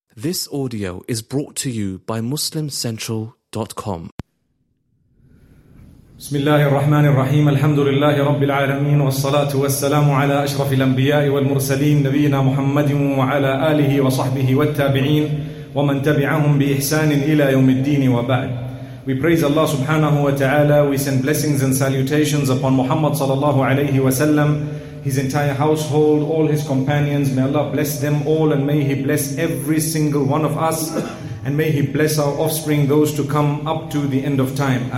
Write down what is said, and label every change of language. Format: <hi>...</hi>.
<en>This audio is brought to you by MuslimCentral.com.</en> <ar>بسم الله الرحمن الرحيم الحمد لله رب العالمين والصلاة والسلام على أشرف الأنبياء والمرسلين نبينا محمد وعلى آله وصحبه والتابعين ومن تبعهم بإحسان إلى يوم الدين وبعد.</ar> <en>We praise Allah subhanahu wa ta'ala. We send blessings and salutations upon Muhammad sallallahu alayhi wa sallam, his entire household, all his companions. May Allah bless them all, and may He bless every single one of us, and may He bless our offspring, those to come up to the end of time.</en>